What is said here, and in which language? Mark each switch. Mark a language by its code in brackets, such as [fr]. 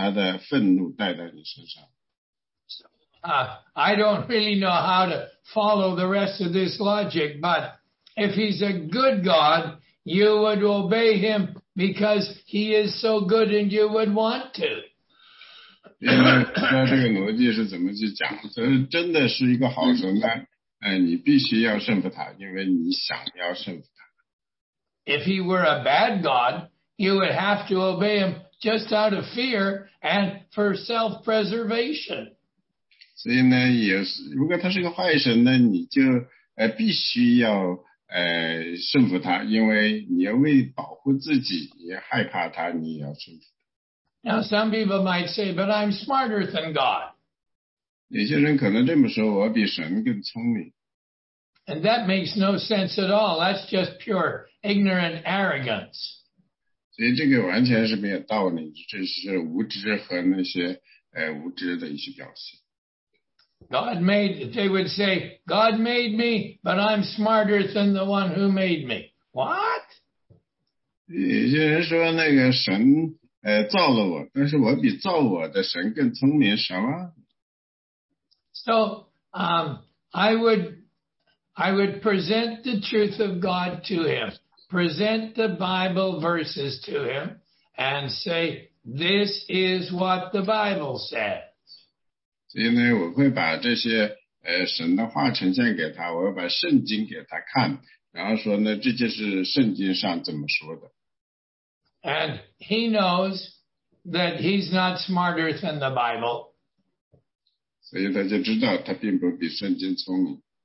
[zh] 因为如果是一个好的神，你顺服他，那是很明智的。但是如果是个坏的神，那你不顺服他，只能把他的愤怒带到你身上。 [en] I don't really know how to follow the rest of this logic, but if he's a good God, you would obey him because he is so good and you would want to. [zh] 因为他这个逻辑是怎么去讲，真的是一个好神呢，你必须要顺服他，因为你想要顺服他。 [en] If he were a bad God, you would have to obey him just out of fear and for self-preservation. [zh] 所以呢，也是，如果他是个坏神呢，你就必须要顺服他，因为你要为保护自己，你害怕他，你要顺服。 [en] Now some people might say, but I'm smarter than God. [zh] 有些人可能这么说，我比神更聪明。 [en] And that makes no sense at all. That's just pure ignorant arrogance. [zh] 所以这个完全是没有道理，这是无知和那些无知的一些表现。 [en] God made, they would say, God made me, but I'm smarter than the one who made me. What? [zh] 有些人说那个神造了我，但是我比造我的神更聪明，什么？ [en] So, I would present the truth of God to him, present the Bible verses to him, and say, this is what the Bible says. [zh] 所以呢，我会把这些神的话呈现给他，我要把圣经给他看，然后说呢，这就是圣经上怎么说的。 [en] And he knows that he's not smarter than the Bible. [zh] 所以他就知道他并不比圣经聪明。